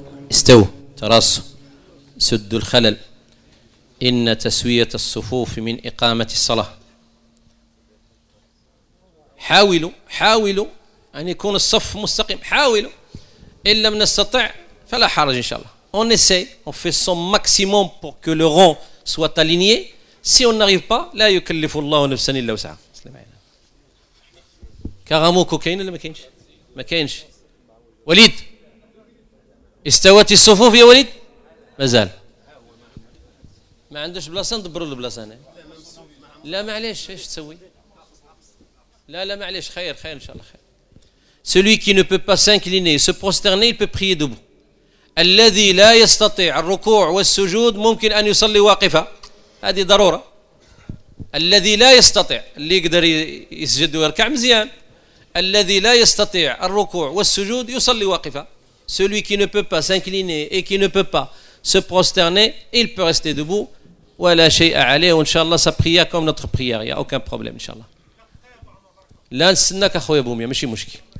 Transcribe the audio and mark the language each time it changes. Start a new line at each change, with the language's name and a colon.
Arabic: استو تراصوا سد الخلل، إن تسوية الصفوف من إقامة الصلاة. حاولوا أن يكون الصف مستقيم، حاولوا، إن لم نستطع فلا حرج إن شاء الله.
French: On essaye, on fait son maximum pour que le rang soit aligné. Si on n'arrive pas,
Arabic: لا يكلف الله نفسا إلا وسعها. كغاموكو كاين ولا ما كاينش؟ ما كاينش. وليد، استوت الصفوف يا وليد؟ مازال ما عندوش بلاصه، ندبروا البلاصه هنا. لا معليش، ايش تسوي؟ لا معليش، خير ان شاء الله خير.
French: celui qui ne peut pas s'incliner se prosterner il peut prier debout.
Arabic: الذي لا يستطيع الركوع والسجود ممكن ان يصلي واقفا، هذه ضروره. الذي لا يستطيع، اللي يقدر يسجد ويركع مزيان، الذي لا يستطيع الركوع والسجود يصلي واقفا.
French: celui qui ne peut pas s'incliner et qui ne peut pas se prosterner, il peut rester debout. Voilà, chez Ali, Inch'Allah, sa prière comme notre prière. Il n'y a aucun problème, Inch'Allah. Là, c'est un peu comme ça, mais je suis mouchki.